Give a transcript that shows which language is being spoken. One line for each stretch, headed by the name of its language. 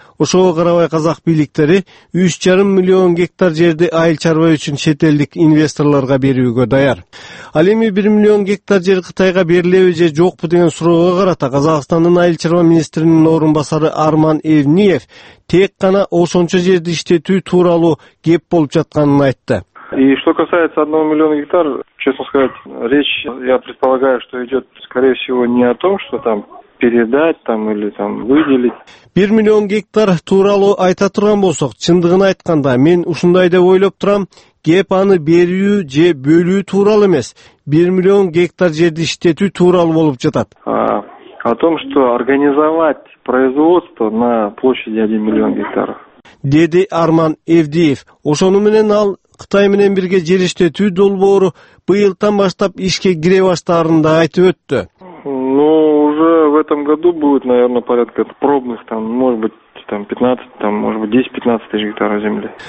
Kyrgyz: Ошого карабай казак бийликтери 3.5 миллион гектар жерди айыл чарба үчүн чет элдик инвесторлорго берүүгө даяр. Ал эми 1 миллион гектар жер Кытайга берилеби же жокпу деген суроого карата Казакстандын айыл чарба министринин орун басары Арман Эвниев тек гана ошончо жерди иштетүү тууралуу кеп болуп жатканын айтты.
Russian: И что касается 1 миллиона гектар, честно сказать, речь, я предполагаю, что идет, скорее всего, не о том, что там передать там или там выделить.
Kyrgyz: 1 миллион гектар тууралуу айта турган болсок, чындыгын айтканда, мен ушундай деп ойлоп турам, кеп аны берүү же бөлүү тууралуу эмес, 1 миллион гектар жерди иштетүү тууралуу болуп жатат.
Russian: О том, что организовать производство на площади 1 миллион гектаров.
Kyrgyz: Деди Арман Эвдиев. Ошону менен ал Кытай менен бирге жер иштетүү долбоору быйылдан баштап ишке кире баштаарын да айтып өттү.
Russian: Ну, уже в этом году будет, наверное, порядка пробных, там, может быть, там 15, там, может быть, 10-15 тысяч гектаров земли.